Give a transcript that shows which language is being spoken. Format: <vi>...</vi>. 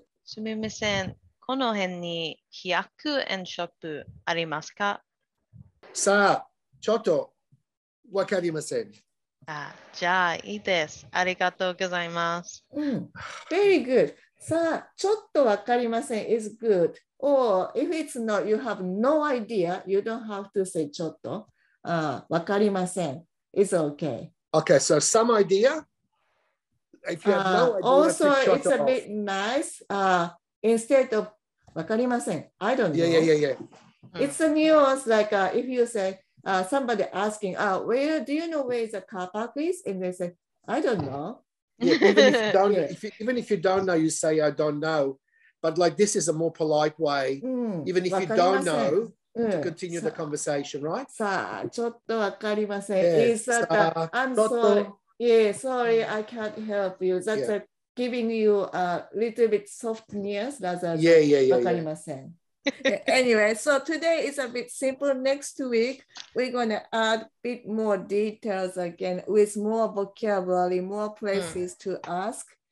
<ja>すみません。この辺に100円 shop ありますか? さあ、ちょっとわかりません。じゃあ、いいです。ありがとうございます。</ja> <en>Very good.</en> <ja>さあ、ちょっとわかりません</ja> <en>is good. Or if it's not, you have no idea, you don't have to say ちょっと.</en> <ja>わかりません.</ja> <en>It's okay. Okay, so some idea? If you have no idea, also, it's a bit nice. Instead of</en> <ja>わかりません.</ja> <en>I don't know. Yeah. It's a nuance, like if you say, somebody asking, do you know where the car park is? And they say, I don't know. Even if you don't know, you say, I don't know. But like this is a more polite way, even if you don't know, to continue the conversation, right?</en> <ja>さあ、ちょっとわかりません.</ja> <en>Sorry, I can't help you. That's like giving you a little bit softness rather than</en> <ja>わかりません.</ja> <en>Anyway, so today is a bit simple. Next week, we're going to add a bit more details again with more vocabulary, more places to ask.</en>